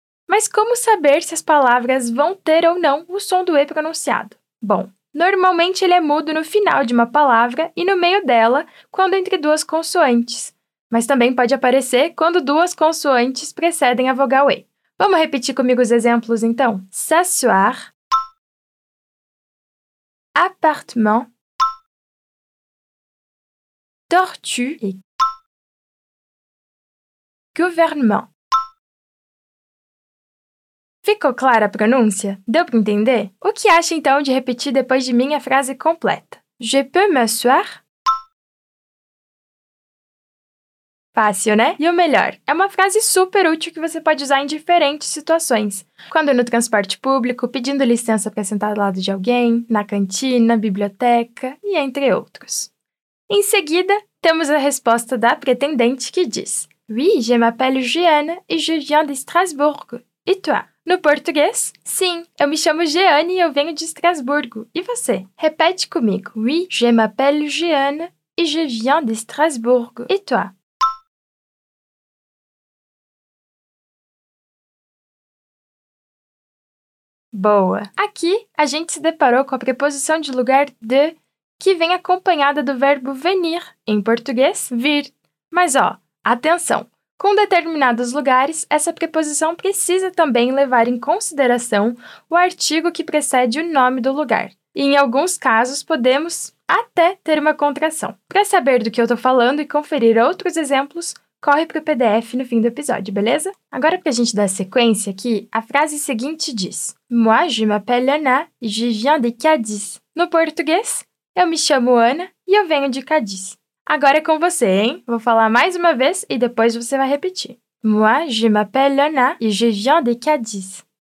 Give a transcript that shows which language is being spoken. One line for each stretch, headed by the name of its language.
Portuguese: Mas como saber se as palavras vão ter ou não o som do E pronunciado? Bom, normalmente ele é mudo no final de uma palavra e no meio dela, quando entre duas consoantes. Mas também pode aparecer quando duas consoantes precedem a vogal E. Vamos repetir comigo os exemplos, então?
French: S'asseoir, appartement, tortue e gouvernement.
Portuguese: Ficou clara a pronúncia? Deu para entender? O que acha, então, de repetir depois de mim a frase completa?
French: Je peux m'asseoir?
Portuguese: Fácil, né? E o melhor, é uma frase super útil que você pode usar em diferentes situações. Quando no transporte público, pedindo licença para sentar ao lado de alguém, na cantina, biblioteca e entre outros. Em seguida, temos a resposta da pretendente que diz:
French: Oui, je m'appelle Jeanne et je viens de Strasbourg. Et toi?
Portuguese: No português, sim, eu me chamo Jeanne e eu venho de Estrasburgo. E você? Repete comigo.
French: Oui, je m'appelle Jeanne et je viens de Strasbourg. Et toi?
Portuguese: Boa! Aqui, a gente se deparou com a preposição de lugar de, que vem acompanhada do verbo venir, em português, vir. Mas, ó, atenção! Com determinados lugares, essa preposição precisa também levar em consideração o artigo que precede o nome do lugar. E, em alguns casos, podemos até ter uma contração. Para saber do que eu estou falando e conferir outros exemplos, corre para o PDF no fim do episódio, beleza? Agora, para a gente dar sequência aqui, a frase seguinte diz:
French: Moi, je m'appelle Ana et je viens de Cadiz.
Portuguese: No português, eu me chamo Ana e eu venho de Cadiz. Agora é com você, hein? Vou falar mais uma vez e depois você vai repetir.
French: Moi, je m'appelle Ana et je viens de Cadiz.